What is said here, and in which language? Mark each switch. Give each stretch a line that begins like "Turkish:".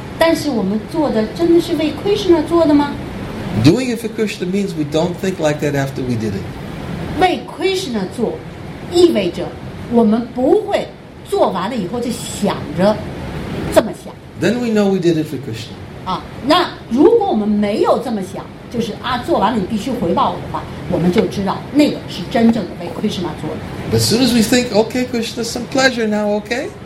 Chinese: 但是我们做的真的是为 Krishna 做的吗
English: ？Doing it for Krishna means we don't think like that after we did it.
Chinese: 为 Krishna 做意味着我们不会做完了以后就想着。
English: Then we know we did it for Krishna.
Chinese: 那如果我们没有这么想，就是做完了你必须回报我的话，我们就知道那个是真正的为 Krishna 做的。
English: But as soon as we think, okay, Krishna, some pleasure now, okay?